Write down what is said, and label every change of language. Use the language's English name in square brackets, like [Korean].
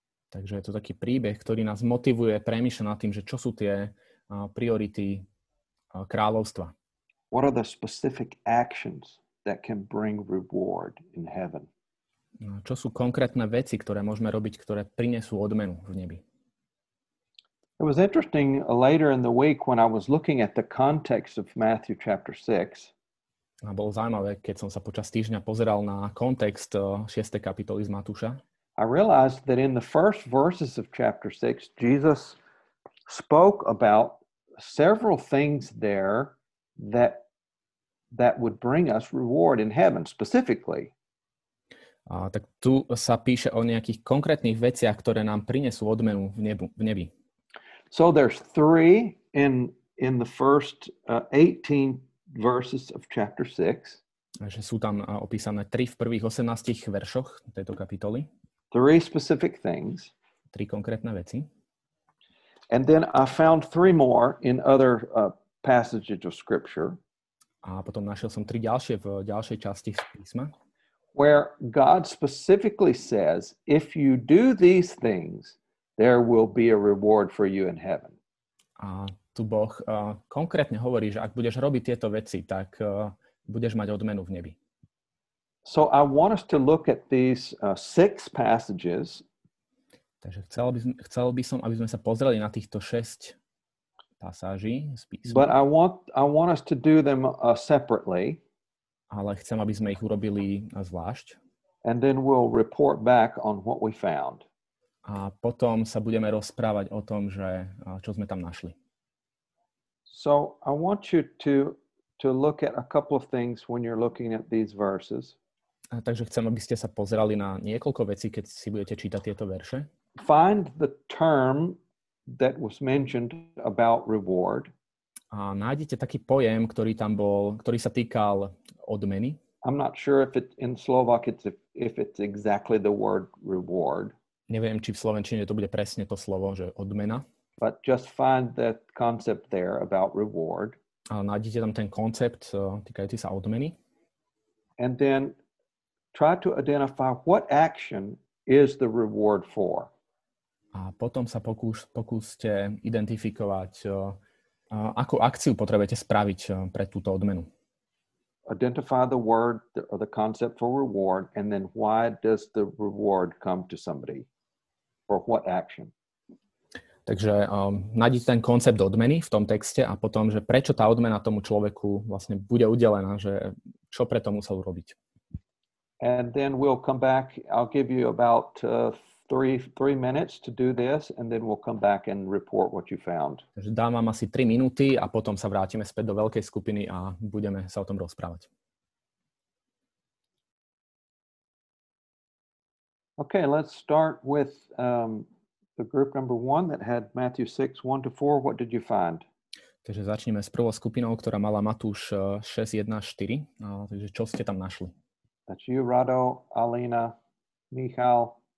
[Slovak] Takže je to taký príbeh, ktorý nás motivuje premýšľať nad tým, že čo sú tie priority kráľovstva. [English] What are the specific actions that can bring reward in heaven? [Slovak] Čo sú konkrétne veci, ktoré môžeme robiť, ktoré prinesú odmenu v nebi? [English] It was interesting later in the week when I was looking at the context of Matthew chapter 6. [Slovak] A bolo zaujímavé, keď som sa počas týždňa pozeral na kontext 6. kapitoly z Matúša. [English] I realized that in the first verses of chapter 6, Jesus spoke about several things there that would bring us reward in heaven specifically. [Slovak] Tak tu sa píše o nejakých konkrétnych veciach, ktoré nám prinesú odmenu v nebi. [English] So there's three in the first 18 verses of chapter 6. [Slovak] Takže sú tam opísané tri v prvých 18 veršoch tejto kapitoly. [English] Three specific things. [Slovak] Tri konkrétne veci. [English] And then I found three more in other passages of scripture. [Slovak] A potom našiel som tri ďalšie v ďalšej časti písma. [English] Where God specifically says, if you do these things, there will be a reward for you in heaven. [Slovak] A tu Boh konkrétne hovorí, že ak budeš robiť tieto veci, tak budeš mať odmenu v nebi. [English] So I want us to look at these six passages. [Slovak] Takže chcel by som, aby sme sa pozreli na týchto šesť pasáží z písma. [English] But I want us to do them separately. [Slovak] Ale chcem, aby sme ich urobili zvlášť. [English] And then we'll report back on what we found. [Slovak] A potom sa budeme rozprávať o tom, že čo sme tam našli. [English] So I want you to look at a couple of things when you're looking at these verses. [Slovak] Takže chcem, aby ste sa pozerali na niekoľko vecí, keď si budete čítať tieto verše. [English] Find the term that was mentioned about reward. [Slovak] A nájdete taký pojem, ktorý tam bol, ktorý sa týkal odmeny. [English] I'm not sure if it's in Slovak if it's exactly the word reward. [Slovak] Neviem, či v slovenčine to bude presne to slovo, že odmena. [English] But just find that concept there about reward. [Slovak] A nájdete tam ten koncept týkajúci sa odmeny. [English] And then try to identify what action is the reward for. [Slovak] A potom sa pokúste identifikovať, akú akciu potrebujete spraviť pre túto odmenu. [English] Identify the word or the concept for reward and then why does the reward come to somebody? For what action? [Slovak] Takže nájdete ten koncept odmeny v tom texte a potom, že prečo tá odmena tomu človeku vlastne bude udelená, že čo pre to musel urobiť. [English] And then we'll come back. I'll give you about three minutes to do this and then we'll come back and report what you found. [Slovak] Takže dám vám asi 3 minúty a potom sa vrátime späť do veľkej skupiny a budeme sa o tom rozprávať. [English] Okay, let's start with the group number 1 that had Matthew 6:1-4. What did you find? [Slovak] Takže začneme s prvou skupinou, ktorá mala Matúš 6:1-4. Takže čo ste tam našli? [English] That's you, Rado, Alina, Michal.